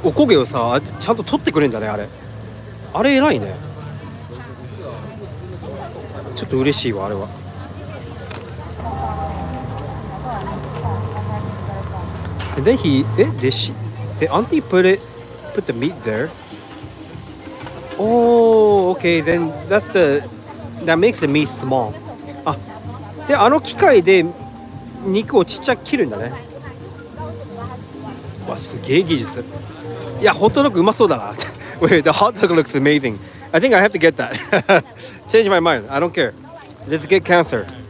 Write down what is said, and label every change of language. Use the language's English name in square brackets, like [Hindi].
[Japanese] おこげをさ、ちゃんと取ってくれるんだね、あれ。あれ偉いね。ちょっと嬉しいわ、あれは。 [English] And then did auntie put the meat there? Oh, okay, then that makes the meat small. [Japanese] Ah, で、あの機械で肉をちっちゃく切るんだね。わ、すげえ技術。いや、ホットドッグうまそうだな。 [English] Wait, the hot dog looks amazing. I think I have to get that. Change my mind. I don't care. Let's get cancer.